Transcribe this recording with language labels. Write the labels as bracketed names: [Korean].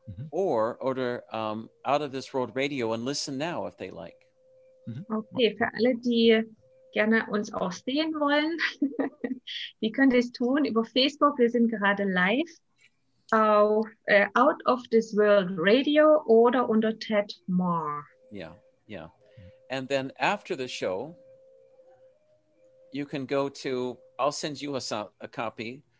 [English] Or out of this world radio and listen now if they like. Mm-hmm. [German] Okay, für alle, die gerne uns auch sehen wollen, die können das tun über Facebook. Wir sind gerade live auf Out of this World Radio oder unter Ted Marr. Yeah, yeah. [English] And then after the show, you can go to, I'll send you a copy.